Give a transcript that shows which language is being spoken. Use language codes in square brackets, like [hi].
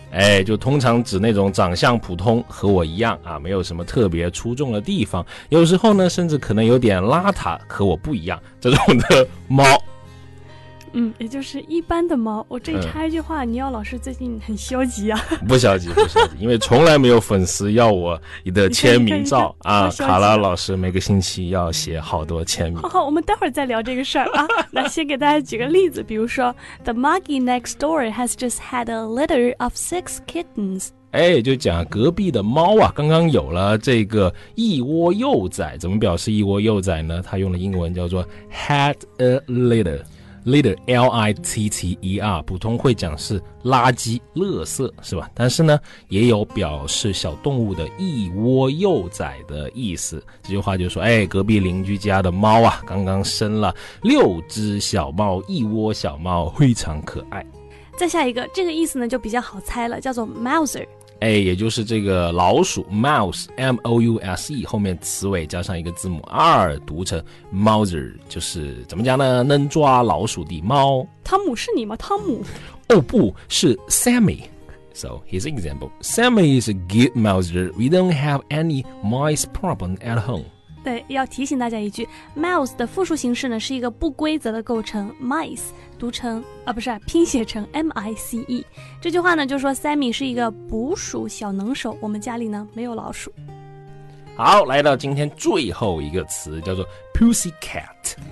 [zh] 哎，就通常指那种长相普通和我一样啊，没有什么特别出众的地方，有时候呢甚至可能有点邋遢和我不一样这种的猫。也就是一般的猫。我这一插一句话，你要老师最近很消极啊。不消极不消极，因为从来没有粉丝要我的签名照。啊，卡拉老师每个星期要写好多签名。好好，我们待会儿再聊这个事儿啊。那先给大家举个例子，比如说 [en] The Muggy next door has just had a litter of 6 kittens。 [zh] 哎，就讲隔壁的猫啊刚刚有了这个一窝幼崽。怎么表示一窝幼崽呢？他用了英文叫做 [en] had a litter。 [zh] Litter, L-I-T-T-E-R， 普通会讲是垃圾、垃圾，是吧？但是呢，也有表示小动物的一窝幼崽的意思。这句话就说，哎，隔壁邻居家的猫啊，刚刚生了6只小猫，一窝小猫，非常可爱。再下一个，这个意思呢，就比较好猜了，叫做 Mouser。哎，也就是这个老鼠 mouse M-O-U-S-E 后面词尾加上一个字母 R 读成 Mouser， 就是怎么讲呢，能抓老鼠的猫。汤姆是你吗？汤姆哦，不是 Sammy。 [en] So, his example, Sammy is a good mouser. We don't have any mice problem at home. [zh] 对，要提醒大家一句， mouse 的复数形式呢是一个不规则的构成， mice 读成啊，不是啊，拼写成 M-I-C-E。这句话呢就说 Sammy 是一个捕鼠小能手，我们家里呢没有老鼠。好，来到今天最后一个词，叫做 pussycat。